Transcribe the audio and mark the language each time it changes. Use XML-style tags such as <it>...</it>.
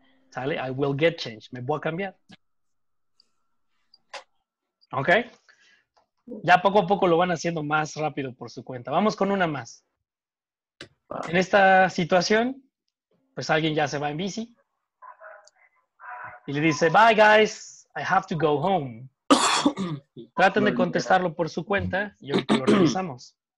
<es>Sale,</es> <en>I will get changed.</en> <es>Me voy a cambiar. Ok. Ya poco a poco lo van haciendo más rápido por su cuenta. Vamos con una más. En esta situación, pues alguien ya se va en bici. Y le dice,</es> <en>bye guys, I have to go home.</en> <es>Traten de contestarlo por su cuenta y ahorita lo revisamos.</es>